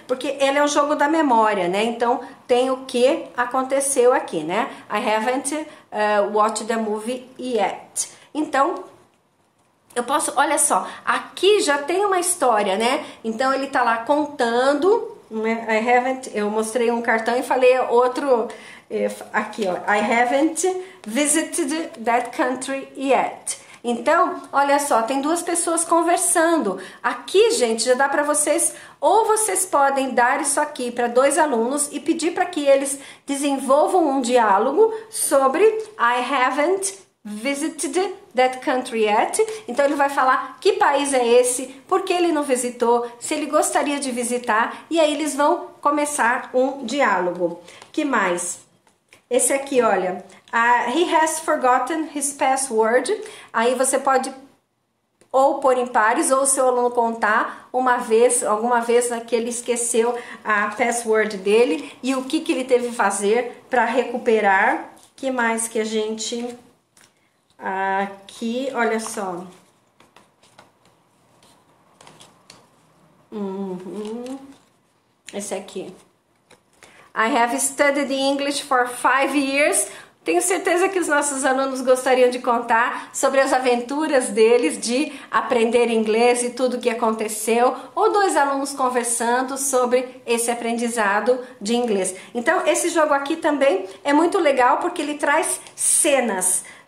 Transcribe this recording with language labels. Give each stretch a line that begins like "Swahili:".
Portuguese: Porque ele é um jogo da memória, né? Então tem o que aconteceu aqui, né?
English: I haven't watched the movie yet.
Portuguese: Então, eu posso, olha só, aqui já tem uma história, né? Então ele tá lá contando, né?
English: I haven't,
Portuguese: eu mostrei um cartão e falei outro aqui, ó.
English: I haven't visited that country yet.
Portuguese: Então, olha só, tem duas pessoas conversando. Aqui, gente, já dá para vocês, ou vocês podem dar isso aqui para dois alunos e pedir para que eles desenvolvam um diálogo sobre
English: I haven't visited that country yet.
Portuguese: Então ele vai falar que país é esse, por que ele não visitou, se ele gostaria de visitar, e aí eles vão começar um diálogo. Que mais? Esse aqui, olha.
English: He has forgotten his password.
Portuguese: Aí você pode ou pôr em pares, ou o seu aluno contar uma vez, alguma vez, né, que ele esqueceu a password dele e o que que ele teve fazer para recuperar. Que mais que a gente. Aqui, olha só. Esse aqui.
English: I have studied English for 5 years.
Portuguese: Tenho certeza que os nossos alunos gostariam de contar sobre as aventuras deles de aprender inglês e tudo o que aconteceu, ou dois alunos conversando sobre esse aprendizado de inglês. Então, esse jogo aqui também é muito legal porque ele traz cenas.